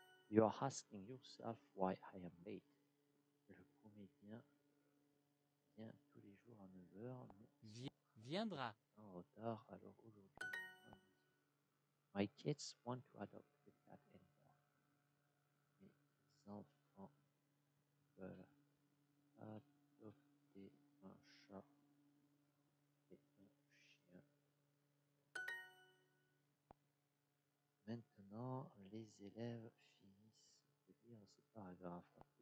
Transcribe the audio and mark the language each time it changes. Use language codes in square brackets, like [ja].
[en] You are asking yourself why I am late. [fr] Le comédien vient tous les jours à 9h. Viendra. En retard, alors aujourd'hui. [en] My kids want to adopt the cat and dog. [fr] Mes enfants veulent adopter un chat et un chien. Maintenant, les élèves finissent de lire ce paragraphe.